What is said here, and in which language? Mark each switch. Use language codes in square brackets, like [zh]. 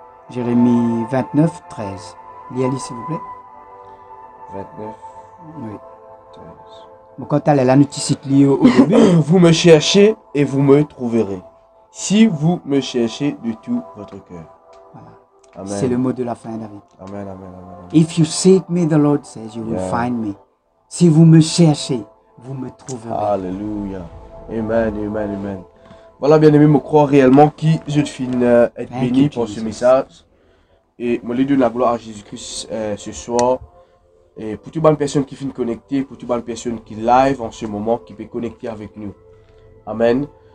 [fr] Jérémie 29, 13. Lis-le, s'il vous plaît. 29, oui. 13. Mais quand elle est là, nous cite lié au début. Vous me cherchez et vous me trouverez. Si vous me cherchez de tout votre cœur. Voilà. Amen. C'est le mot de la fin, David. Amen, amen, amen. [en] If you seek me, the Lord says, you will find me. [fr] Si vous me cherchez, vous me trouverez. Alléluia. Amen, amen, amen. Voilà, bien aimé, je crois réellement que je suis béni pour ce message. Et je lui donne la gloire à Jésus-Christ ce soir. Et pour toutes les personnes qui finissent connectées, pour toutes les personnes qui live en ce moment, qui peuvent connecter avec nous. Amen.